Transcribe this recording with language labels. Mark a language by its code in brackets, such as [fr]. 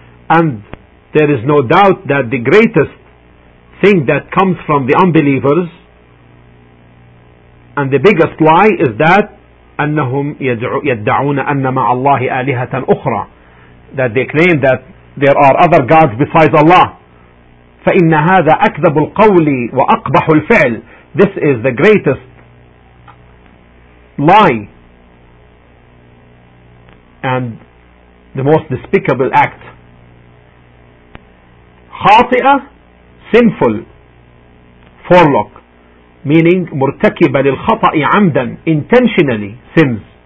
[en] And there is no doubt that the greatest thing that comes from the unbelievers and the biggest lie is that [ar] أنهم يدعون أن مع الله آلهة أخرى, [en] that they claim that there are other gods besides Allah. [ar] فإن هذا أكذب القول وأقبح الفعل. [en] This is the greatest lie and the most despicable act. خاطئة, sinful forelock, meaning [ar] مرتكب للخطأ عمدا, [en] intentionally sins.